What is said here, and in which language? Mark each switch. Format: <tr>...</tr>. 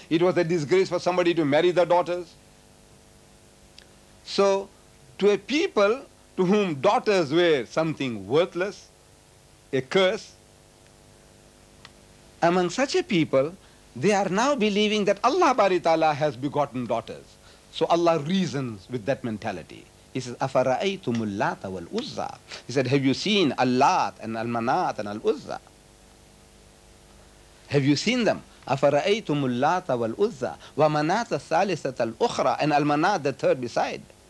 <en>It was a disgrace for somebody to marry their daughters. So, to a people to whom daughters were something worthless, a curse, among such a people, they are now believing that Allah Bari Ta'ala has begotten daughters. So Allah reasons with that mentality. He says,</en> <ar>أَفَرَأَيْتُمُ اللَّاتَ وَالْعُزَّى.</ar> <en>He said, have you seen Allat and Al-Manat and Al-Uzza? Have you seen them?</en> <ar>أَفَرَأَيْتُمُ اللَّاتَ وَالْعُزَّى وَمَنَاتَ الثَّالِثَةَ الْأُخْرَى</ar> <en>and Al-Manat the third beside.</en>